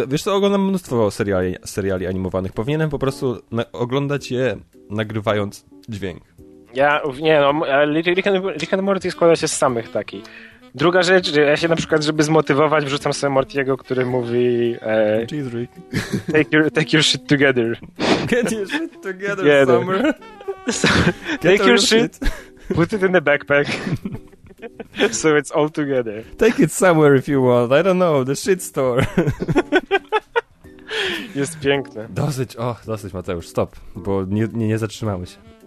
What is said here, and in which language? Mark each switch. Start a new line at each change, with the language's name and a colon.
Polish: Wiesz co, oglądam mnóstwo seriali animowanych. Powinienem po prostu oglądać je, nagrywając dźwięk. Ja... Nie, no, Rick and Morty składa się z samych takich. Druga rzecz, ja się na przykład, żeby zmotywować, wrzucam sobie Mortiego, który mówi...
English: Cheese Rick. Take your shit together. Get your shit together, yeah, Summer. Take your shit, put it in the backpack, so it's all together. Take it somewhere if you want, I don't know, the shit store.
Polish: Jest piękne. Dosyć, Mateusz, stop, bo nie zatrzymamy się.